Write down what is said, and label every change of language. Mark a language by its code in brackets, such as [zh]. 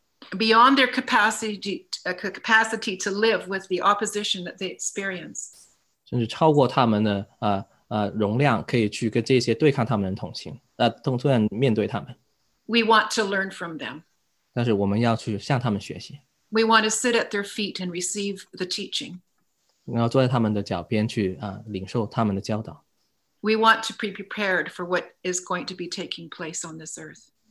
[en] beyond their capacity to live with the opposition that they experience, [zh] 甚至超过他们的容量，可以去跟这些对抗他们的人同行，突然面对他们。 [en] We want to learn from them. [zh] 但是我们要去向他们学习。 [en] We want to sit at their feet and receive the teaching. [zh] 然后坐在他们的脚边去领受他们的教导。 [en] We want to be prepared for what is going to be taking place on this earth.